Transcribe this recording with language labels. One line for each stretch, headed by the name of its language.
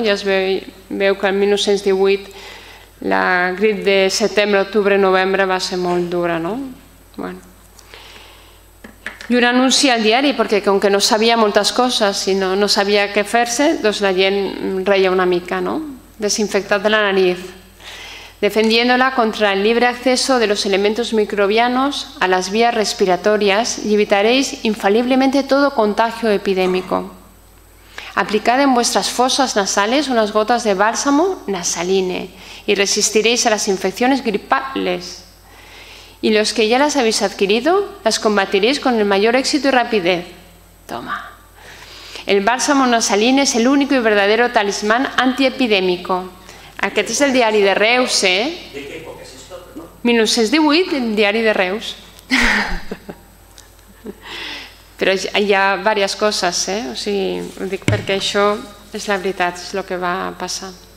Catalan: Ja es veu que el 1918 la grip de setembre, octubre, novembre va ser molt dura, no? Bueno. I un anunci al diari, perquè com que no sabia moltes coses i no sabia què fer-se, doncs la gent reia una mica, no?
Spanish: Desinfectat de la nariz, defendiéndola contra el libre acceso de los elementos microbianos a las vías respiratorias y evitaréis infaliblemente todo contagio epidémico. Aplicad en vuestras fosas nasales unas gotas de bálsamo nasaline y resistiréis a las infecciones gripales. Y los que ya las habéis adquirido, las combatiréis con el mayor éxito y rapidez. Toma. El bálsamo nasaline es el único y verdadero talismán antiepidémico.
Catalan: Aquest és el diari de Reus, eh? 1918, el diari de Reus. Però hi ha diverses coses, eh? O sigui, ho dic perquè això és la veritat, és el que va passar.